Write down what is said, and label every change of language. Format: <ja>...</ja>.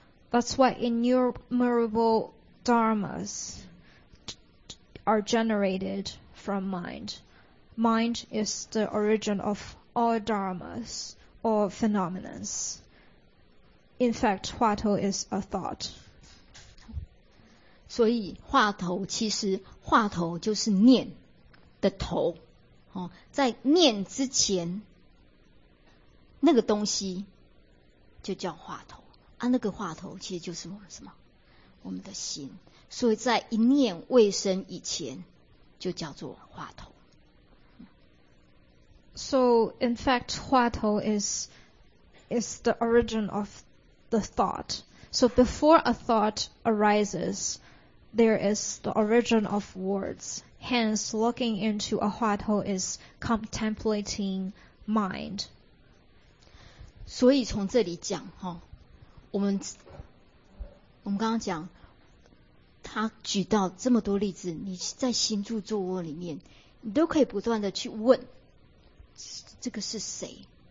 <en>That's why innumerable dharmas are generated from mind. Mind is the origin of all dharmas or phenomena. In fact, 话头 is a thought.</en> <zh>所以话头其实话头就是念的头、哦、在念之前那个东西就叫话头啊，那个话头其实就是我们什么，我们的心，所以在一念未生以前就叫做话头。</zh> <en>So in fact 话头 is the origin of the thought. So before a thought arises, there is the origin of words. Hence looking into a 话头 is contemplating mind.</en> <zh>所以从这里讲，我们刚刚讲，他举到这么多例子，你在行住坐卧里面，你都可以不断的去问，这个是谁？</zh>